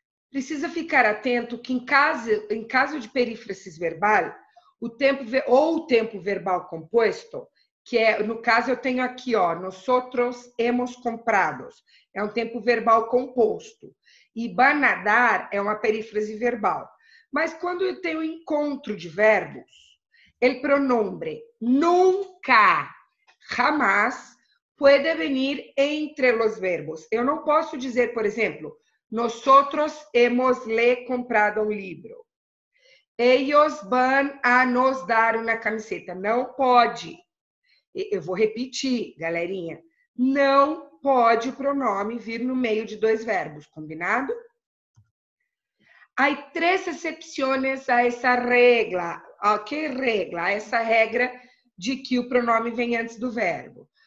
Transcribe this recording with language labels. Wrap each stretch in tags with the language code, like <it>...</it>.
<pt>Precisa ficar atento que em caso de perífrase verbal, o tempo verbal composto, que é, no caso eu tenho aqui, ó,</pt> <es>nosotros hemos comprados,</es> <pt>é um tempo verbal composto. E banadar é uma perífrase verbal. Mas quando eu tenho encontro de verbos,</pt> <es>el pronombre nunca, jamás, puede venir entre los verbos.</es> <pt>Eu não posso dizer, por exemplo,</pt> <es>nosotros hemos le comprado un libro. Ellos van a nos dar una camiseta.</es> <pt>Não pode. Eu vou repetir, galerinha. Não pode o pronome vir no meio de dois verbos, combinado? Há três exceções a essa regra. Que regra? A essa regra de que o pronome vem antes do verbo.</pt>